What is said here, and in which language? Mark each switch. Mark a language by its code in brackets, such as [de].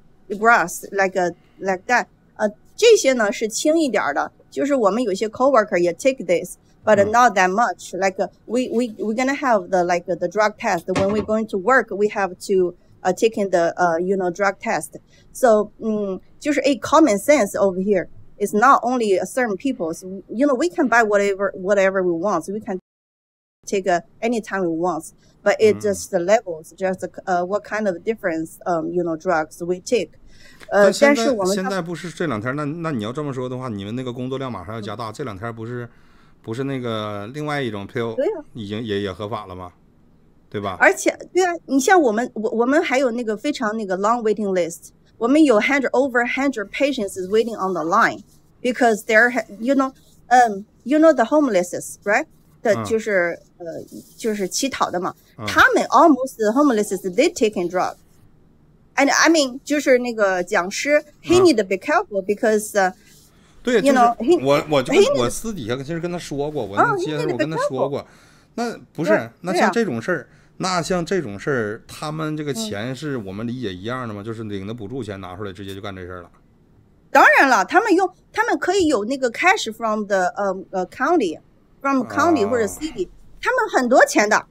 [en] grass like that [zh] 这些呢是轻一点的，就是我们有些 [en] coworker 也 take this but not that much like we're gonna have the like the drug test when we're going to work we have to taking the you know drug test so 就是 a common sense over hereIt's not only a certain people. So, you know, we can buy whatever we want. So we can take any time we want. But it's just the levels, just what kind of difference, you know, drugs we take. [zh] 但现在不是这两天，那你要这么说的话，你们那个工作量马上要加大。这两天不是那个另外一种 pill 已经也合法了吗？对吧？而且对啊，你像我们还有那个非常那个 [en] long waiting list. [zh] 我们有 [en] over 100 patients is waiting on the line because they're, you know, the homelesses, right? [zh] 的就是就是乞讨的嘛。他们 [en] almost the homelesses, they taking drugs. And I mean, [zh] 就是那个讲师 [en] he need to be careful because, you know, [zh] 我私底下其实跟他说过，我跟他说过，那不是，那像这种事儿。那像这种事儿，他们这个钱是我们理解一样的吗？就是领的补助钱拿出来直接就干这事儿了？当然了，他们可以有那个 [en] cash from the county [zh] 或者 city， 他们很多钱的。